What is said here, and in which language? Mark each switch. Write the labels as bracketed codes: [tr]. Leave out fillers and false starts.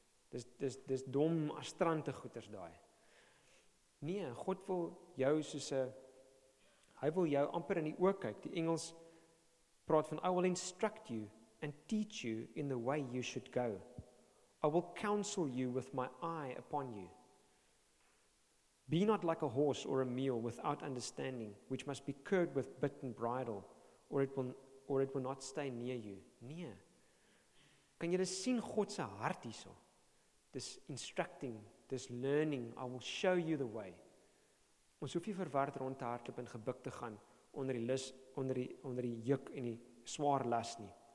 [af] Dis dom, astrante goeders daai. Nee, God wil jou soos 'n Hy wil jou amper in die oog kyk. Die Engels praat van, I will instruct you and teach you in the way you should go. [en] I will counsel you with my eye upon you. Be not like a horse or a mule without understanding, which must be curbed with bit and bridle, or it will not stay near you. Nee. [af] Kan jy dit sien God se hart hierso? This instructing, this learning, I will show you the way. Ons hoef nie verward rond te hardloop en gebuk te gaan onder die juk en die swaar las nie.